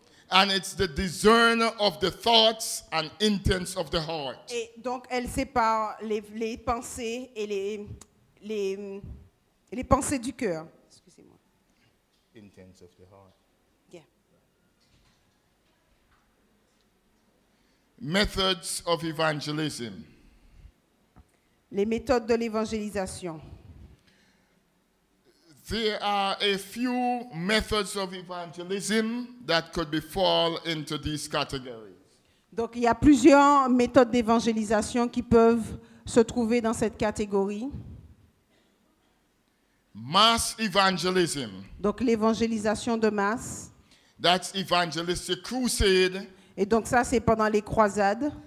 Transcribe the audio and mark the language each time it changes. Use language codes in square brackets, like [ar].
[en] And it's the discerner of the thoughts and intents of the heart. [fr] Et donc elle sépare les pensées et les pensées du cœur. Excusez-moi. [en] Intents of the heart. Yeah. Methods of evangelism. [fr] Les méthodes de l'évangélisation. [en] There are a few methods of evangelism that could be fall into these categories. [fr] Donc il y a plusieurs méthodes d'évangélisation qui peuvent se trouver dans cette catégorie. [en] Mass evangelism. [fr] Donc l'évangélisation de masse. [en] That's evangelistic crusade. [fr] Et donc ça c'est pendant les croisades.